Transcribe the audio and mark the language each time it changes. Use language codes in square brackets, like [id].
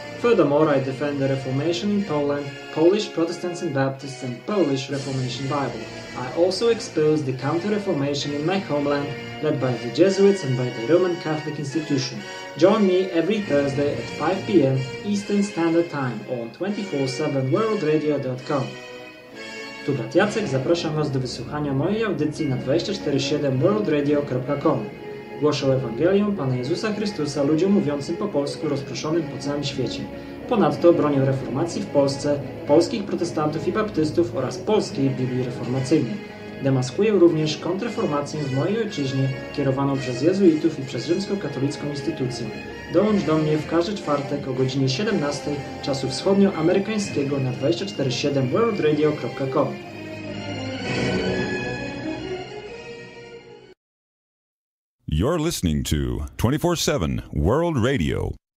[en] Furthermore, I defend the Reformation in Poland, Polish Protestants and Baptists, and Polish Reformation Bible. I also expose the Counter-Reformation in my homeland, led by the Jesuits and by the Roman Catholic Institution. Join me every Thursday at 5 p.m. Eastern Standard Time on 247worldradio.com. [pl] Tu brat Jacek, zapraszam Was do wysłuchania mojej audycji na 247worldradio.com. Głoszę Ewangelię Pana Jezusa Chrystusa ludziom mówiącym po polsku rozproszonym po całym świecie. Ponadto bronię reformacji w Polsce, polskich protestantów i baptystów oraz polskiej Biblii Reformacyjnej. Demaskuję również kontrreformację w mojej ojczyźnie kierowaną przez jezuitów i przez rzymskokatolicką instytucję. Dołącz do mnie w każdy czwartek o godzinie 17 czasu wschodnioamerykańskiego na 247worldradio.com. [en] You're listening to 24/7 World Radio.